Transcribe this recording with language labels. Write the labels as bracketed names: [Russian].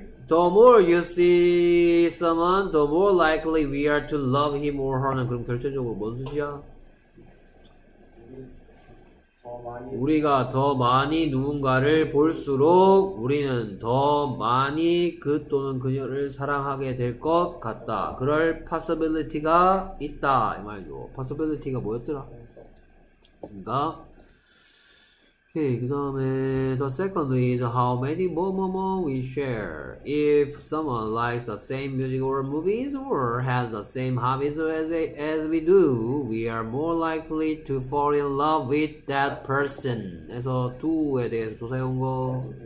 [English] The more you see someone, the more likely we are to love him or her. [Korean] 그럼 결정적으로 뭔 뜻이야? 우리가 더 많이 누군가를 볼수록 우리는 더 많이 그 또는 그녀를 사랑하게 될 것 같다. 그럴 possibility가 있다. 이 말이죠. possibility가 뭐였더라? 맞습니다. [English] Okay, [Korean] 그 다음에 [English] the second is how many [Korean] 뭐뭐뭐 [English] we share. If someone likes the same music or movies or has the same hobbies as we do, we are more likely to fall in love with that person. [Korean] 그래서 두에 대해서 조사해온 거.